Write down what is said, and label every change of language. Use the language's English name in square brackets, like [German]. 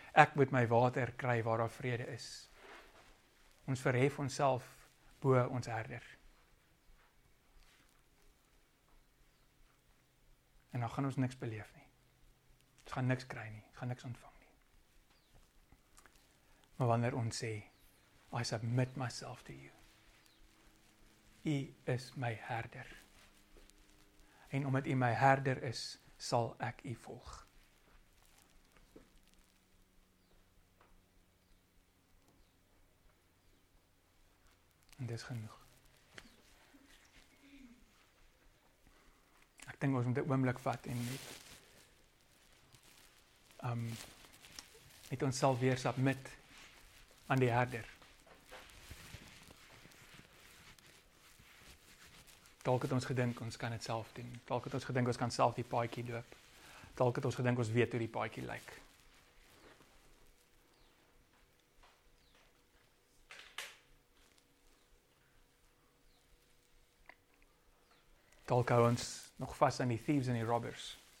[Afrikaans] Ek moet my water kry waar daar vrede is. Ons verhef onsself bo ons herder. En dan gaan ons niks beleef nie. Ons gaan niks kry nie. Ons gaan niks ontvang nie. Maar wanneer ons sê, [English] I submit myself to you. [Afrikaans] U is my herder. En omdat u my herder is, sal ek u volg. En dis genoeg. Ek dink ons moet 'n oomblik vat en net met onsself weer submit aan die herder. Dalk het ons gedink ons kan dit self doen. Dalk het ons gedink ons kan self die paadjie loop. Dalk het ons gedink ons weet hoe die paadjie lyk. Dalk hou ons nog vas aan die thieves en die robbers.